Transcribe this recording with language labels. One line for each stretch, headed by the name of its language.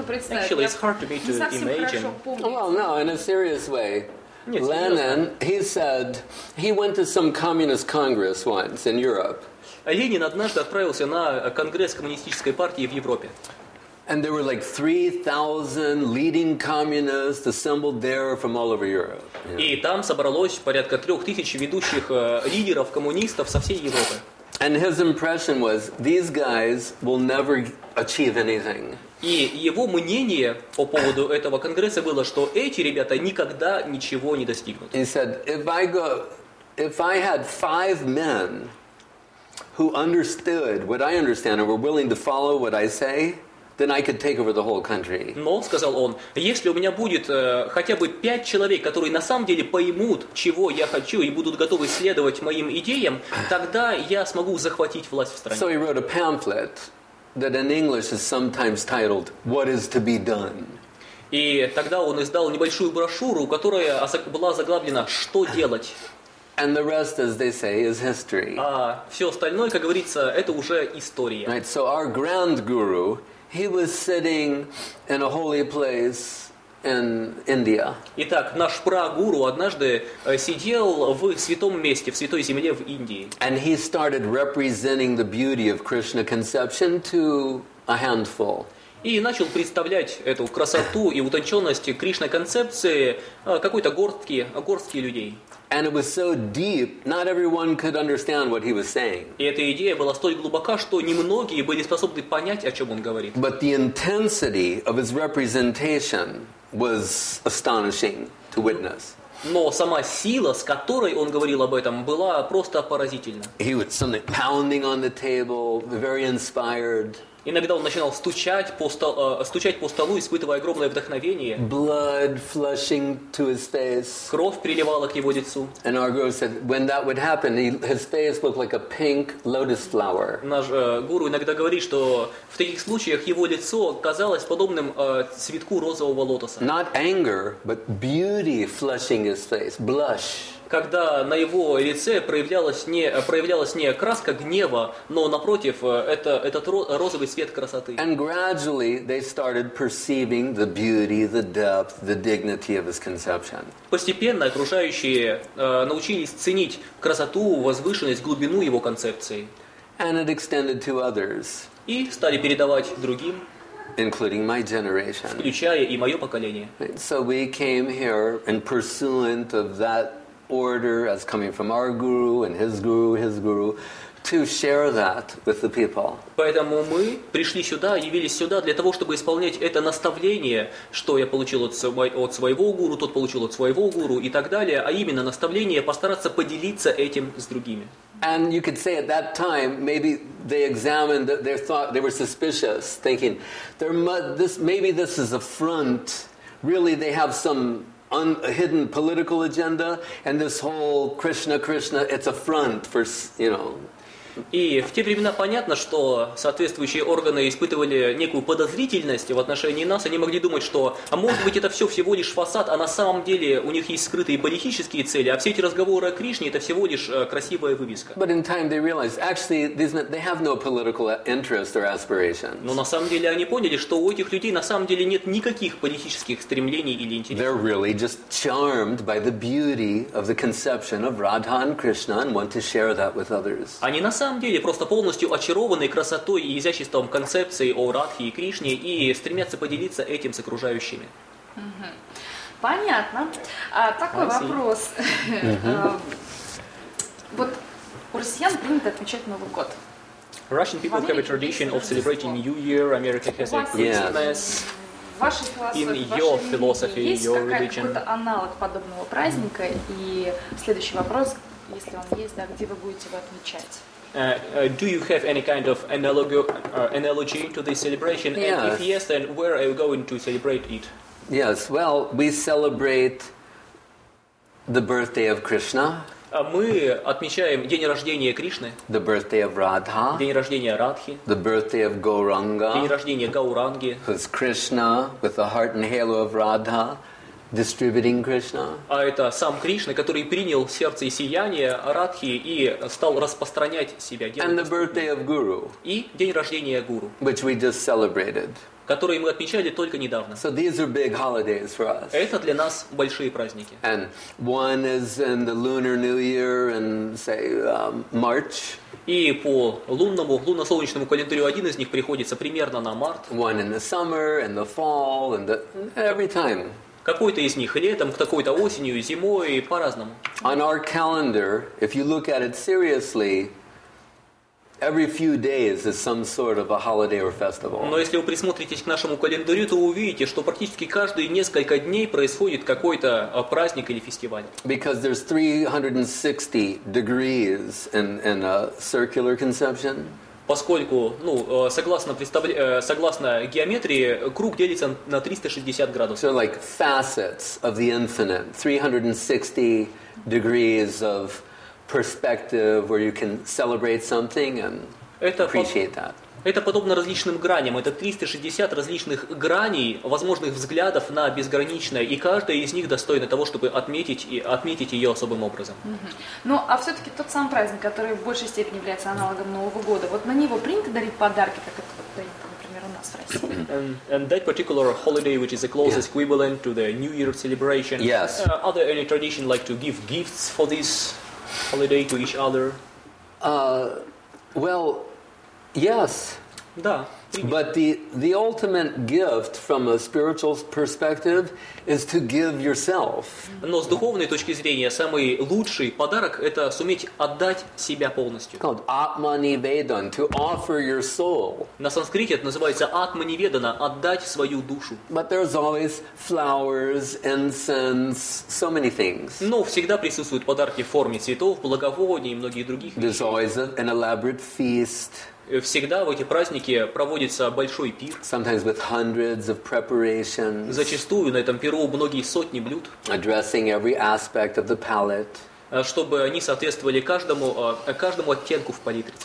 English: Actually, it's hard to me to imagine. Well, no, in a serious way. Lenin, he said, he went to some communist congress once in Europe.
Russian: Ленин однажды отправился на конгресс коммунистической партии в Европе.
English: And there were like 3,000 leading communists assembled there from all over Europe.
Russian: И там собралось порядка 3,000 ведущих лидеров коммунистов со всей Европы.
English: And his impression was, these guys will never achieve anything.
Russian: И его мнение по поводу этого конгресса было, что эти ребята никогда ничего не достигнут.
English: He said, if I had 5 men who understood what I understand and were willing to follow what I say, then I could take over the whole country.
Russian: Но сказал он, если у меня будет хотя бы 5 человек, которые на самом деле поймут, чего я хочу и будут готовы следовать моим идеям, тогда я смогу захватить власть в стране.
English: So he wrote a pamphlet that in English is sometimes titled "What is to be done?"
Russian: И тогда он издал небольшую брошюру, которая была заглавлена "Что делать?"
English: And the rest, as they say, is history.
Russian: А всё остальное, как говорится, это уже история.
English: Right. So our grand guru, he was sitting in a holy place in India.
Russian: Итак, наш прагуру однажды сидел в святом месте, в святой земле в Индии.
English: And he started representing the beauty of Krishna conception to a handful.
Russian: И начал представлять эту красоту и утонченность Кришна концепции какой-то горстке людей.
English: And it was so deep, not everyone could understand what he was saying.
Russian: И эта идея была столь глубока, что немногие были способны понять, о чем он говорит.
English: But the intensity of his representation was astonishing to witness.
Russian: Но сама сила, с которой он говорил об этом, была просто поразительна.
English: He was suddenly pounding on the table, very inspired.
Russian: Иногда он начинал стучать по столу, испытывая огромное вдохновение.
English: Blood flushing to his face.
Russian: Кровь приливала к его лицу.
English: And our guru said, when that would happen, his face looked like a pink lotus flower.
Russian: Наш гуру иногда говорит, что в таких случаях его лицо казалось подобным цветку розового лотоса.
English: Not anger, but beauty flushing his face. Blush.
Russian: Когда на его лице проявлялась не краска гнева, но напротив этот розовый свет красоты.
English: And gradually they started perceiving the beauty, the depth, the dignity of his conception.
Russian: Постепенно окружающие научились ценить красоту, возвышенность, глубину его концепции.
English: And it extended to others.
Russian: И стали передавать другим.
English: Including my generation.
Russian: Включая и мое поколение.
English: So we came here in pursuant of that order as coming from our guru and his guru to share that with the people.
Russian: Поэтому мы пришли сюда, явились сюда для того, чтобы исполнять это наставление, что я получил от своего гуру, тот получил от своего гуру и так далее, а именно наставление постараться поделиться этим с другими.
English: And you could say at that time maybe they examined their thought, they were suspicious, thinking this is a front, really they have some hidden political agenda, and this whole Krishna, it's a front for, you know.
Russian: И в те времена понятно, что соответствующие органы испытывали некую подозрительность в отношении нас. Они могли думать, что, а может быть, это все всего лишь фасад, а на самом деле у них есть скрытые политические цели, а все эти разговоры о Кришне – это всего лишь красивая вывеска.
English: But in time they realized, actually, they have no political interest or aspirations.
Russian: Но на самом деле они поняли, что у этих людей на самом деле нет никаких политических стремлений или интересов.
English: They're really just charmed by the beauty of the conception of Radha and Krishna and want to share that with others.
Russian: На самом деле просто полностью очарованы красотой и изяществом концепции о Радхе и Кришне и стремятся поделиться этим с окружающими. Понятно. Такой вопрос. Вот у россиян принято отмечать Новый год.
English: Russian people have a tradition of celebrating New Year. America has a Christmas. In your philosophy, your religion.
Russian: Есть какой-то аналог подобного праздника? И следующий вопрос, если он есть, да, где вы будете его отмечать?
English: Do you have any kind of analogy to this celebration? Yes. And if yes, then where are you going to celebrate it? Yes, well, we celebrate the birthday of Krishna.
Russian: Мы отмечаем день рождения Кришны.
English: The birthday of Radha.
Russian: День рождения Радхи.
English: The birthday of Gauranga.
Russian: День рождения Гауранги.
English: Who's Krishna with the heart and halo of Radha. distributing Krishna.
Russian: А это сам Кришна, который принял сердце и сияние Радхи и стал распространять себя.
English: And the birthday of Guru.
Russian: И день рождения Гуру.
English: Which we just celebrated.
Russian: Которые мы отмечали только недавно.
English: So these are big holidays for us.
Russian: Это для нас большие праздники.
English: And one is in the Lunar New Year and say March.
Russian: И по лунному, лунно-солнечному календарю один из них приходится примерно на март.
English: One in the summer and the fall and the every time.
Russian: Какой-то из них летом, какой-то осенью, зимой, по-разному.
English: On our calendar, if you look at it seriously, every few days is some sort of a holiday or festival.
Russian: Но если вы присмотритесь к нашему календарю, то увидите, что практически каждые несколько дней происходит какой-то праздник или фестиваль.
English: Because there's 360 degrees in a circular conception.
Russian: Поскольку, ну, согласно геометрии, круг делится на 360 градусов.
English: So like facets of the infinite, 360 degrees of perspective where you can celebrate something and appreciate that.
Russian: Это подобно различным граням. Это 360 различных граней, возможных взглядов на безграничное, и каждая из них достойна того, чтобы отметить ее особым образом. Mm-hmm. Ну, а все-таки тот сам праздник, который в большей степени является аналогом Нового года, вот на него принято дарить подарки, как это принято, например, у нас в России?
English: And that particular holiday, which is the closest equivalent to the New Year celebration, are there any tradition like to give gifts for this holiday to each other? Well, yes.
Russian: Да.
English: But the ultimate gift from a spiritual perspective is to give yourself.
Russian: Но с духовной точки зрения самый лучший подарок это суметь отдать себя полностью.
English: Called Atmanivedan, to offer your soul.
Russian: На санскрите это называется Atmanivedana, отдать свою душу.
English: But there's always flowers, incense, so many things.
Russian: Но всегда присутствуют подарки в форме цветов, благовоний и многих других.
English: There's always an elaborate feast.
Russian: Всегда в эти праздники проводится большой пир.
English: Sometimes with hundreds of preparations.
Russian: Зачастую на этом пиру многие сотни блюд.
English: Addressing every aspect of the palate.
Russian: Чтобы они соответствовали каждому оттенку в палитре.